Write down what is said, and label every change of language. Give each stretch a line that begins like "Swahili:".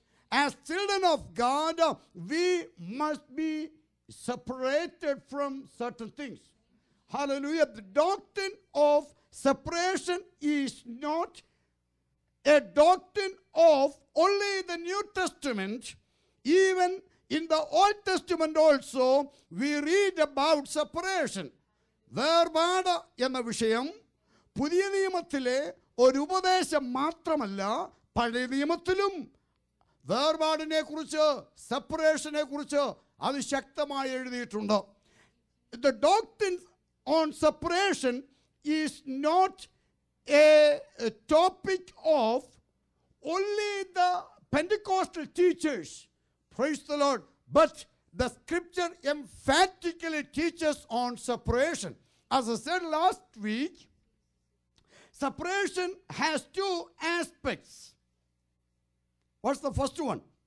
English: As children of God, we must be separated from certain things. Hallelujah. The doctrine of separation is not a doctrine of only the New Testament. Even in the Old Testament also, we read about separation.
Malayalam: വേർപാട് എന്ന വിഷയം പുതിയ നിയമത്തിലെ ഒരു ഉപദേശം മാത്രമല്ല, പഴയ നിയമത്തിലും വേർപാടിനെ കുറിച്ച്, സെപ്പറേഷനെ കുറിച്ച് അത് ശക്തമായി എഴുതിയിട്ടുണ്ട്.
English: The doctrine on separation is not a topic of only the Pentecostal teachers, praise the Lord, but the scripture emphatically teaches on separation. As I said last week, separation has two aspects. What's the first one?